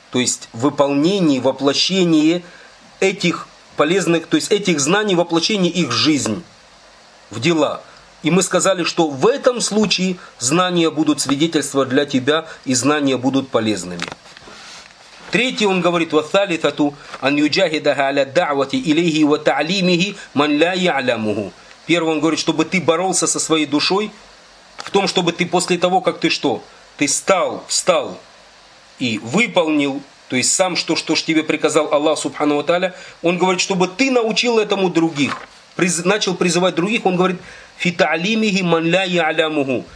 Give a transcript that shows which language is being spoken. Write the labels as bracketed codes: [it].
[ru] То есть выполнении, воплощении этих полезных, то есть этих знаний, воплощении их в жизнь, в дела. И мы сказали, что в этом случае знания будут свидетельствовать для тебя и знания будут полезными. Третий он говорит, [ar] وَثَالِثَةُ أَنْ يُجَاهِدَهَا عَلَى الدَّعْوَةِ إِلَيْهِ وَتَعْلِيمِهِ مَنْ لَا يَعْلَمُهُ. [ru] Первый он говорит, чтобы ты боролся со своей душой в том, чтобы ты после того, как ты что? Ты встал и выполнил, то есть сам, что ж тебе приказал Аллах Субхану ва Тааля. Он говорит, чтобы ты научил этому других. Начал призывать других, он говорит, [ar] فِتَعْلِيمِهِ مَنْ لَا يَعْلَمُهُ.